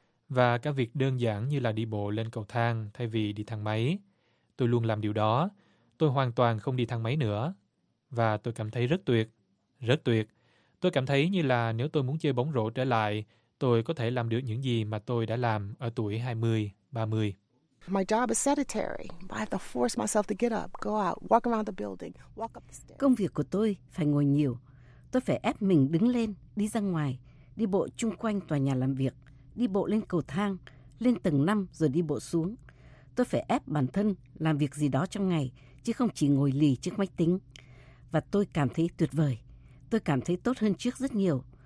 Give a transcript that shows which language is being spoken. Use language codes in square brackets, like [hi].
[vi] Và cả việc đơn giản như là đi bộ lên cầu thang thay vì đi thang máy. Tôi luôn làm điều đó. Tôi hoàn toàn không đi thang máy nữa. Và tôi cảm thấy rất tuyệt. Rất tuyệt. Tôi cảm thấy như là nếu tôi muốn chơi bóng rổ trở lại, tôi có thể làm được những gì mà tôi đã làm ở tuổi 20, 30. [en] My job is sedentary. I have to force myself to get up, go out, walk around the building, walk up the stairs. [vi] Công việc của tôi phải ngồi nhiều. Tôi phải ép mình đứng lên, đi ra ngoài, đi bộ chung quanh tòa nhà làm việc, đi bộ lên cầu thang, lên tầng 5 rồi đi bộ xuống. Tôi phải ép bản thân làm việc gì đó trong ngày, chứ không chỉ ngồi lì trước máy tính. Và tôi cảm thấy tuyệt vời. Tôi cảm thấy tốt hơn trước rất nhiều.